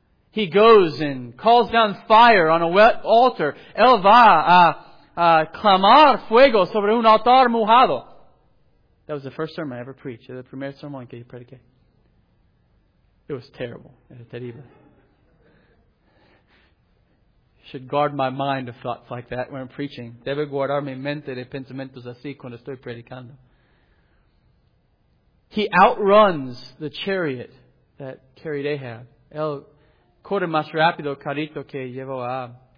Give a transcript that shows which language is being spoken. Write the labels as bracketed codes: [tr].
[en] He goes and calls down fire on a wet altar. [es] Él va a clamar fuego sobre un altar mojado. [en] That was the first sermon I ever preached. The [es] primer sermon que yo prediqué. [en] It was terrible. [es] Era terrible. [en] Should guard my mind of thoughts like that when I'm preaching. [es] Debe guardar mi mente de pensamientos así cuando estoy predicando. [en] He outruns the chariot that carried Ahab. [es] Él corre más rápido carito que llevo a.